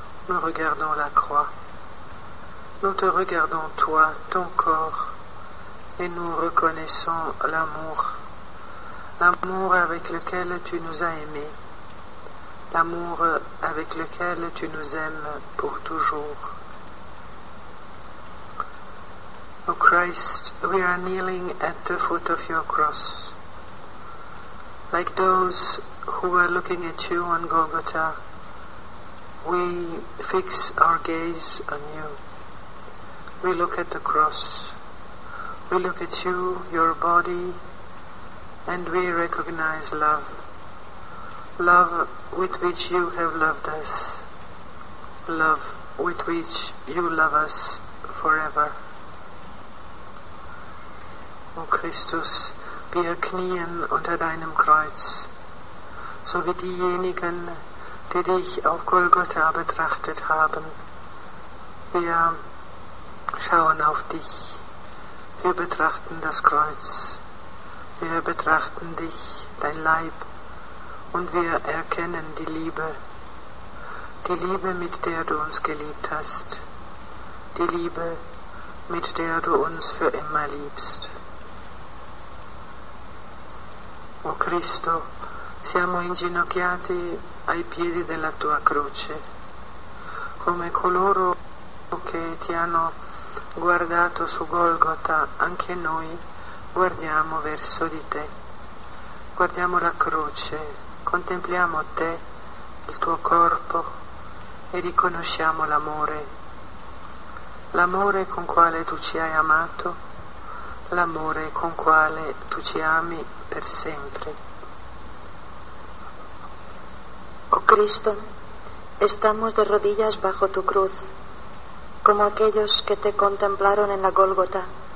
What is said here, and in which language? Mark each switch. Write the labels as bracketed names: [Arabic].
[French] Nous regardons la croix, nous te regardons toi, ton corps, et nous reconnaissons l'amour. L'amour avec lequel tu nous as aimés, l'amour avec lequel tu nous aimes pour toujours. [English] O Christ, we are kneeling at the foot of your cross. Like those who were looking at you on Golgotha, we fix our gaze on you. We look at the cross. We look at you, your body, and we recognize love, love with which you have loved us, love with which you love us forever. [German] O Christus, wir knien unter deinem Kreuz, so wie diejenigen, die dich auf Golgotha betrachtet haben. Wir schauen auf dich, wir betrachten das Kreuz. Wir betrachten dich, dein Leib, und wir erkennen die Liebe, mit der du uns geliebt hast, die Liebe, mit der du uns für immer liebst. [Italian] O Cristo, siamo inginocchiati ai piedi della tua croce, come coloro che ti hanno guardato su Golgotha, anche noi guardiamo verso di te, guardiamo la croce, contempliamo te, il tuo corpo, e riconosciamo l'amore. L'amore con quale tu ci hai amato, l'amore con quale tu ci ami per sempre. [Spanish] O Cristo, estamos de rodillas bajo tu cruz, como aquellos que te contemplaron en la Gólgota.